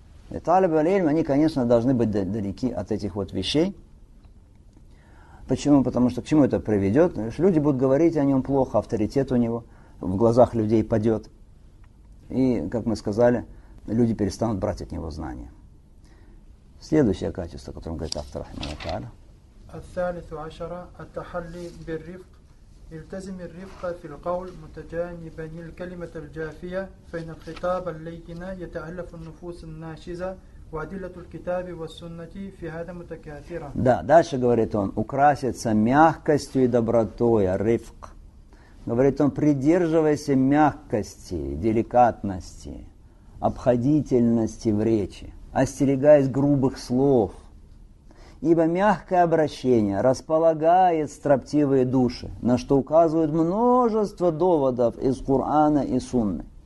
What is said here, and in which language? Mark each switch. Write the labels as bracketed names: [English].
[Russian] И талибы, аль-ильм, они, конечно, должны быть далеки от этих вот вещей. Почему? Потому что к чему это приведет? Люди будут говорить о нем плохо, авторитет у него в глазах людей падет. И, как мы сказали, люди перестанут брать от него знания. Следующее качество, о котором говорит автор Ахмад-Аль-Тааля. [Arabic] الثالث عشر التحلي بالرفق التزم الرفق في القول متجانبا الكلمة الجافية فإن الخطاب اللينة يتألف النفوس الناشزة وأدلة الكتاب والسنة في هذا متكاثرة. [Russian] Да, дальше говорит он, украсится мягкостью и добротой, рифк. Говорит он, придерживайся мягкости, деликатности, обходительности в речи, остерегаясь грубых слов. Ибо мягкое обращение располагает строптивые души, на что указывают множество доводов из Корана и Сунны.